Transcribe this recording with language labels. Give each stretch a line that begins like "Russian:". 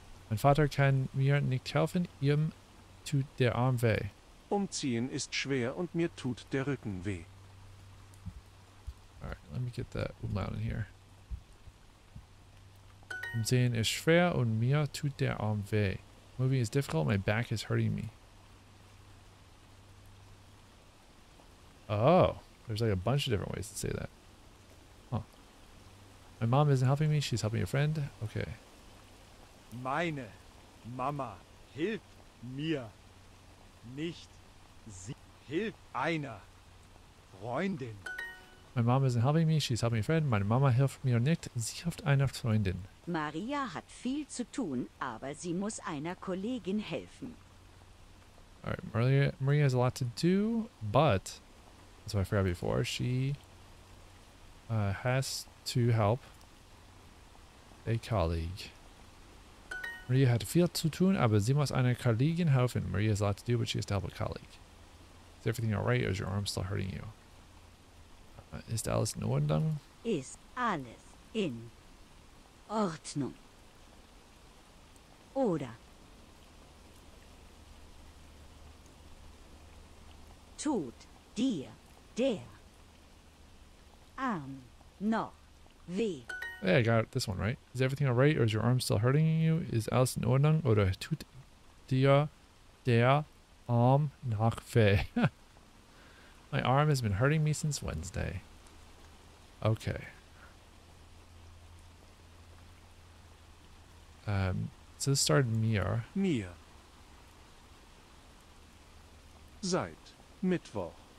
German: Mein Vater kann mir nicht helfen, ihm tut der Arm weh. Umziehen ist schwer und mir tut der Rücken weh.
English: Alright, let me get that umlaut in here.
German: Umziehen ist schwer und mir tut der Arm weh.
English: Moving is difficult, my back is hurting me. Oh, there's like a bunch of different ways to say that. My mom isn't helping me, she's helping a friend. Okay.
German: Meine Mama hilft mir nicht. Sie hilft einer Freundin.
English: My mom isn't helping me, she's helping a friend.
German: Meine Mama hilft mir nicht. Sie hilft einer Freundin. Maria hat viel zu tun, aber sie muss einer Kollegin helfen.
English: Alright, Maria has a lot to do, but that's what I forgot before. She has to help a colleague.
German: Maria hat viel zu tun, aber sie muss einer Kollegin helfen.
English: Maria has a lot to do, but she has to help a colleague. Is everything alright, or is your arm still hurting you?
German: Ist alles in Ordnung? Ist alles in Ordnung. Oder. Tut dir der Arm noch weh?
English: Hey, I got this one right. Is everything all right, or is your arm still hurting you?
German: Is alles in Ordnung, oder tut dir der Arm noch weh?
English: My arm has been hurting me since Wednesday. Okay. So this started Mir.
German: Mir. Seit Mittwoch.